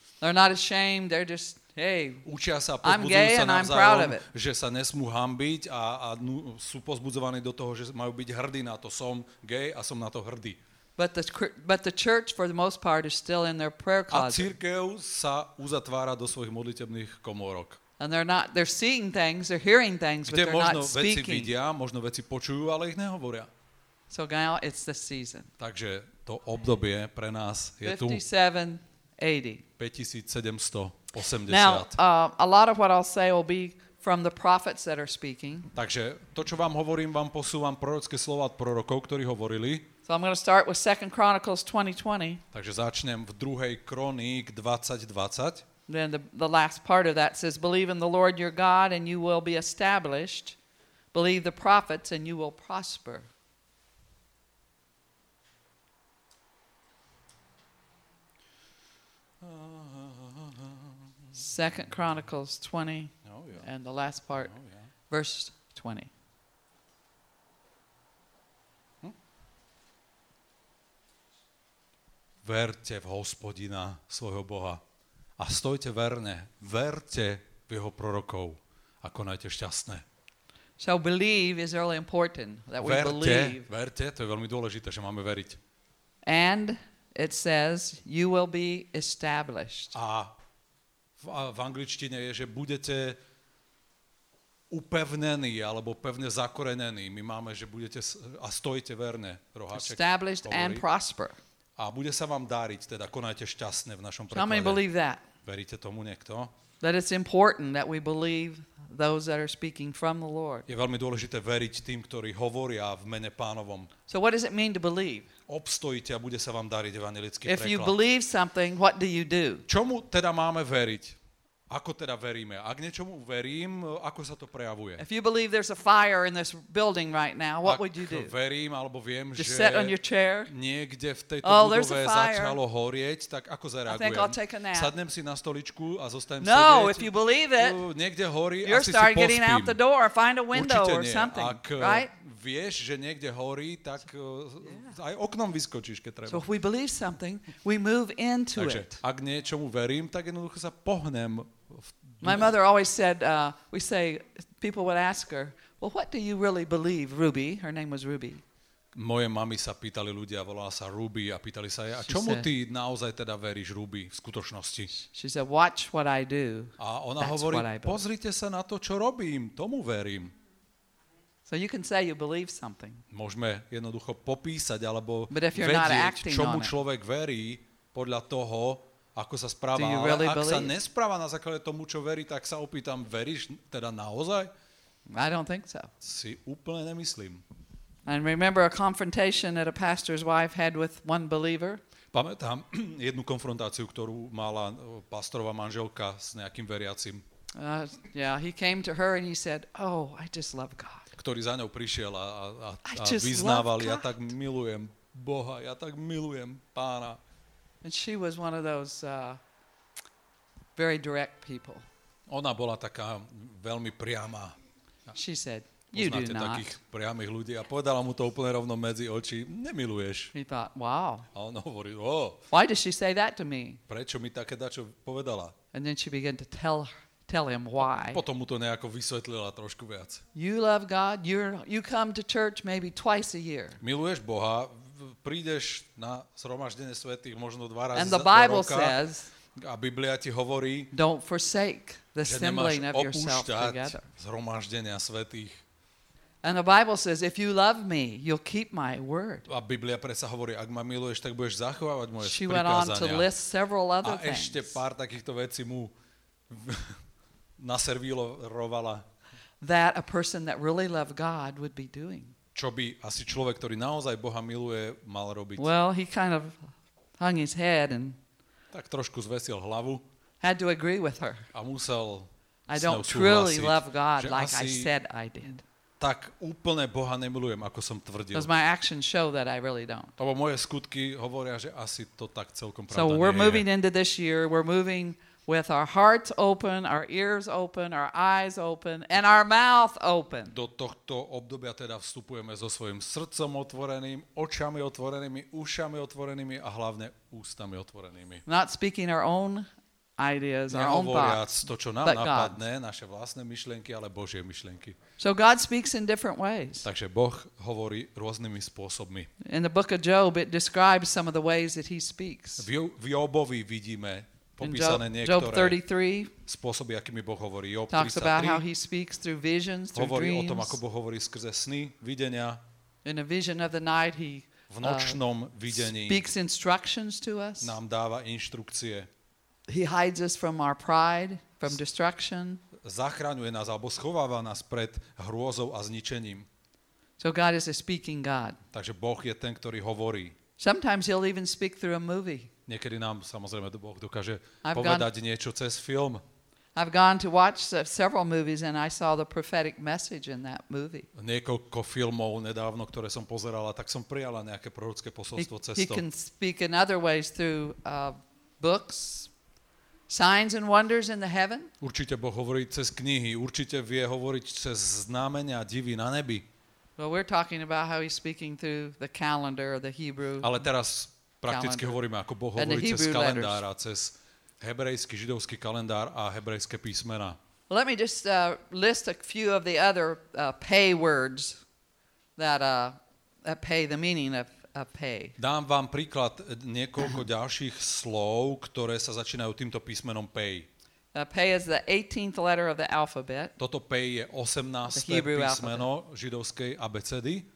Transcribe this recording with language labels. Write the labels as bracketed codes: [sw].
[en] They're not ashamed, they're just, hey, [sk] učia sa, pozbudzujú sa navzájom, že sa nesmú hanbiť a sú pozbudzovaní do toho, že majú byť hrdí na to. Som gay a som na to hrdý. [en] But the church for the most part is still in their prayer closet. [sk] A cirkev sa uzatvára do svojich modlitebných komórok. [en] And they're seeing things, they're hearing things, but they're not speaking. [sk] Kde možno veci vidia, možno veci počujú, ale ich nehovoria. [en] So now it's the season. [sk] Takže to obdobie pre nás je tu. 5780. [en] Now, a lot of what I'll say will be from the prophets that are speaking. [sk] Takže to, čo vám hovorím, vám posúvam prorocké slova od prorokov, ktorí hovorili. [en] So I'm going to start with 2 Chronicles 20:20. [sk] Takže začnem v 2. Kroník 20:20. [en] Then the last part of that says, believe in the Lord your God and you will be established. Believe the prophets and you will prosper. Second Chronicles 20, and the last part, verse 20. [sk] Verte v Hospodina, svojho Boha, a stojte verne, verte v jeho prorokov a konajte šťastné. [en] So believe is really important, that [sk] verte, [en] we believe. [sk] Verte, to je veľmi dôležité, že máme veriť. [en] And it says, you will be established. [sk] A v angličtine je, že budete upevnení, alebo pevne zakorenení. My máme, že budete a stojte verne. Roháček established hovorí. [en] And prosper. [sk] A bude sa vám dáriť, teda konajte šťastne v našom preklade. Veríte tomu niekto? [en] That it's important that we believe those that are speaking from the Lord. [sk] Je veľmi dôležité veriť tým, ktorí hovoria v mene Pánovom. [en] So what does it mean to believe? [sk] Obstojte a bude sa vám dáriť, evangelický preklad. [en] If you believe something, what do you do? [sk] Čomu teda máme veriť? Ako teda veríme? Ak niečomu verím, ako sa to prejavuje? [en] If you believe there's a fire in this building right now, what [sk] ak [en] would you do? [sk] Ak verím alebo viem, [en] just [sk] že [en] sit on your chair? [sk] Niekde v tejto budove začalo horieť, tak ako zareagujem? [en] I think I'll take a nap. [sk] Sadnem si na stoličku a zostanem no, sedieť. [en] No, if you believe it, [sk] niekde horí, [en] you're [sk] asi si pospím. [en] Getting out the door, find a window [sk] určite [en] or something, [sk] ak [en] right? [sk] Vieš, že niekde horí, tak aj oknom vyskočíš, keď treba. [en] So if we believe something, we move into [sk] takže, [en] it. [sk] Ak niečomu verím, tak jednoducho sa pohnem. [en] My mother always said, we say, people would ask her, well, what do you really believe, Ruby? Her name was Ruby. [sk] Moje mami sa pýtali ľudia, volala sa Ruby a pýtali sa jej, a čomu ty naozaj teda veríš, Ruby, v skutočnosti? [en] She said, watch what I do. [sk] A ona [en] that's [sk] hovorí, pozrite sa na to, čo robím, tomu verím. So you can say you believe something. Môžeme jednoducho popísať, alebo vedieť, čomu človek verí podľa toho, ako sa správa, ale [en] really [sk] ak [en] believe? [sk] Sa nespráva na základe tomu, čo verí, tak sa opýtam, veríš teda naozaj? [en] I don't think so. [sk] Si úplne nemyslím. [en] And remember a confrontation that a pastor's wife had with one believer? [sk] Pamätám jednu konfrontáciu, ktorú mala pastorová manželka s nejakým veriacim. [en] Yeah, he came to her and he said, oh, I just love God. [sk] Ktorý za ňou prišiel a vyznával, ja tak milujem Boha, ja tak milujem Pána. [en] And she was one of those very direct people. [sk] Ona bola taká veľmi priama. [en] She said, you do not. [sk] Poznáte takých priamých ľudí a povedala mu to úplne rovno medzi oči. Nemiluješ. [en] He thought, wow. [sk] A on hovorí, oh. [en] Why did she say that to me? [sk] Prečo mi také dačo povedala? [en] And then she began to tell him why. [sk] Potom mu to nejako vysvetlila trošku viac. [en] You love God, you come to church maybe twice a year. [sk] Miluješ Boha, prídeš na zhromaždenie svätých možno dva razy za roka. [en] Says, [sk] a Biblia ti hovorí, [en] don't forsake the assembling of yourself together. [sk] Zhromaždenia svätých. [en] And the Bible says if you love me, you'll keep my word. [sk] A Biblia predsa hovorí, ak ma miluješ, tak budeš zachovávať moje prikázania. [en] She went on to list several other things. [sk] A ešte pár takýchto vecí mu naservírovala. [en] That a person that really loved God would be doing. [sk] Čo by asi človek, ktorý naozaj Boha miluje, mal robiť? [en] Well, he kind of hung his head and [sk] tak trošku zvesil hlavu. [en] Had to agree with her. [sk] A musel [en] I don't truly love God like I said I did. [sk] tak úplne Boha nemilujem, ako som tvrdil. [en] Does my actions show that I really don't? [sk] Lebo moje skutky hovoria, že asi to tak celkom pravda [en] so [sk] nie je. [en] So we're moving into this year, we're moving with our hearts open, our ears open, our eyes open, and our mouth open. [sk] Do tohto obdobia teda vstupujeme so svojim srdcom otvoreným, očami otvorenými, ušami otvorenými a hlavne ústami otvorenými. [en] Not speaking our own ideas, our own thoughts, [sk] to, čo nám napadne, naše vlastné myšlienky, ale Božie myšlienky. [en] So God speaks in different ways. [sk] Takže Boh hovorí rôznymi spôsobmi. [en] In the book of Job, it describes some of the ways that he speaks. [sk] V Jobovi vidíme popísané [en] Job 33 [sk] spôsoby, akými Boh hovorí. [en] Job 33 talks about how he speaks through visions, through [sk] hovorí [en] dreams. [sk] O tom, ako Boh hovorí skrze sny, videnia. [en] In a vision of the night, he [sk] v nočnom videní [en] speaks instructions to us. [sk] Nám dáva inštrukcie. [en] He hides us from our pride, from destruction. [sk] Zachraňuje nás alebo schováva nás pred hrôzou a zničením. [en] So God is a speaking God. [sk] Takže Boh je ten, ktorý hovorí. [en] Sometimes he'll even speak through a movie. [sk] Niekedy nám samozrejme Boh dokáže povedať niečo cez film. [en] I've gone to watch several movies and I saw the prophetic message in that movie. [sk] Niekoľko filmov nedávno, ktoré som pozerala, tak som prijala nejaké prorocké posolstvo cez to. [en] He can speak in other ways through books. Signs and wonders in the heaven? [sk] Určite Boh hovorí cez knihy, určite vie hovoriť cez znamenia a divy na nebi. [en] Well, we're talking about how he's speaking through the calendar or the Hebrew. [sk] Ale teraz prakticky hovoríme, ako Boh hovorí cez kalendár a cez hebrejský, židovský kalendár a hebrejské písmena. [en] Let me just list a few of the other pay words that pay the meaning of pay. [sk] Dám vám príklad niekoľko ďalších slov, ktoré sa začínajú týmto písmenom pay. [en] Pay is the 18th letter of the alphabet. [sk] Toto pay je 18. písmeno židovskej abecedy.